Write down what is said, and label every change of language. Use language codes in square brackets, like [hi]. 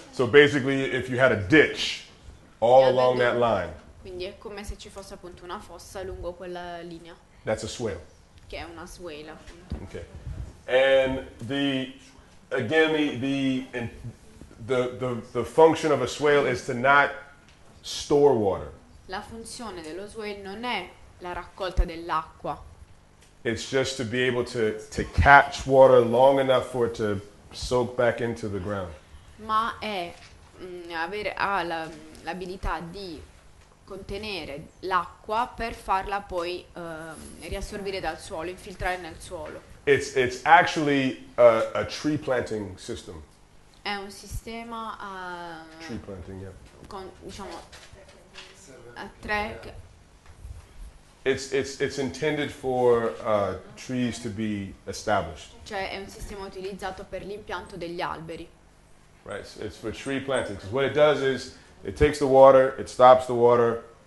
[en] So basically, if you had a ditch all along that line. [it] Quindi è come se ci fosse appunto una fossa lungo quella linea. [en] That's a swale. [it] Che è una swale, appunto. [en] Okay. And the function of a swale is to not store water. [it] La funzione dello swale non è la raccolta dell'acqua. [en] It's just to be able to catch water long enough for it to soak back into the ground. [it] Ma è avere l'abilità di contenere l'acqua per farla poi riassorbire dal suolo, infiltrare nel suolo. [en] It's actually a tree planting system. [it] È un sistema a [en] tree planting, yeah. [it] Con diciamo a tre. [en] It's intended for trees to be established. [it] Cioè è un sistema utilizzato per l'impianto degli alberi. [en] Right, so it's for tree planting. Because what it does is it takes the water, it stops the water.